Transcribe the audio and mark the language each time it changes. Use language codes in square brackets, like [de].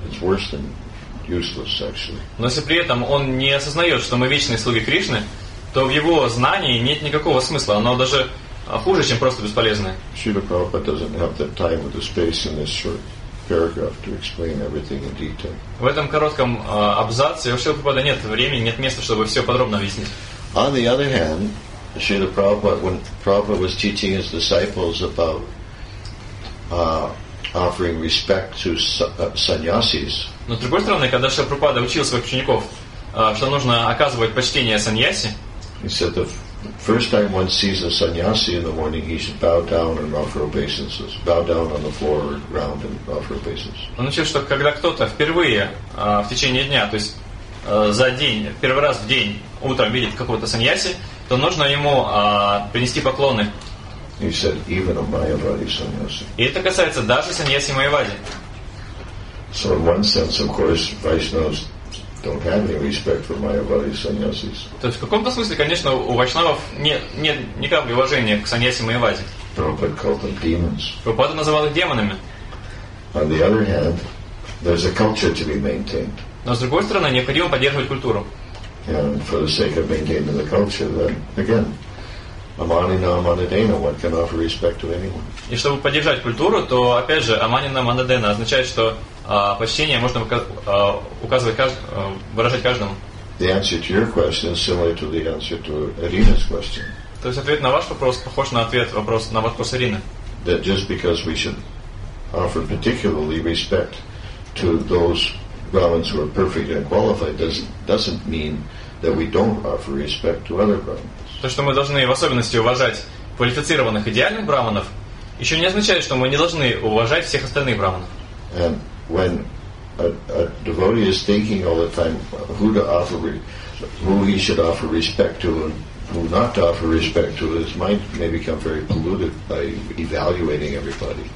[en] It's worse than useless, actually. [ru] Но если при этом он не осознает, что мы вечные слуги Кришны, то в его знании нет никакого смысла. Оно даже хуже, чем просто бесполезное. [en] Srila Prabhupada doesn't have the time or the space in this short paragraph to explain everything in detail. [ru] В этом коротком абзаце у Шрила нет времени, нет места, чтобы все подробно объяснить. [en] On the other hand, Шрила Прабхупада, when Prabhupada was teaching his disciples about offering respect to sannyasis. [ru] Но с другой стороны, когда Шрила Прабхупада учил своих учеников, что нужно оказывать почтение саньяси, [en] he said the first time one sees a sannyasi in the morning, he should bow down and offer obeisances. Bow down on the floor or ground and offer obeisances. [ru] Он начал, что когда кто-то впервые в течение дня, то есть за день, первый раз в день утром видит какого-то саньяси, то нужно ему принести поклоны. [en] He said, even a Mayavadi sannyasi. [ru] И это касается даже саньяси Майявади. [en] So in one sense, of course, Vaishnavas don't have any respect for Mayavadi sannyasis. [ru] То есть в каком-то смысле, конечно, у вайшнавов нет ни капли уважения к саньяси Майявади. [en] Prabhupada called them demons. [ru] Прабхупада называл их демонами. [en] On the other hand, there's a culture to be maintained. [ru] Но с другой стороны, необходимо поддерживать культуру. [en] And for the sake of maintaining the culture, then again, Amanina Amanadena, one can offer respect to anyone. [ru] И чтобы поддержать культуру, то опять же Amanina Amanadena означает, что почтение можно указывать выражать каждому. [en] The answer to your question is similar to the answer to Arina's question. [ru] То есть ответ на ваш вопрос похож на ответ на вопрос Арины. [en] That just because we should offer particularly respect to those Brahmins who are perfect and qualified doesn't mean that we don't offer respect to other Brahmins. [ru] То, что мы должны в особенности уважать квалифицированных идеальных Брахманов, еще не означает, что мы не должны уважать всех остальных Брахманов. [en] And when a devotee is thinking all the time who to offer, who he should offer respect to and who not to offer respect to, his mind may become very polluted by evaluating everybody.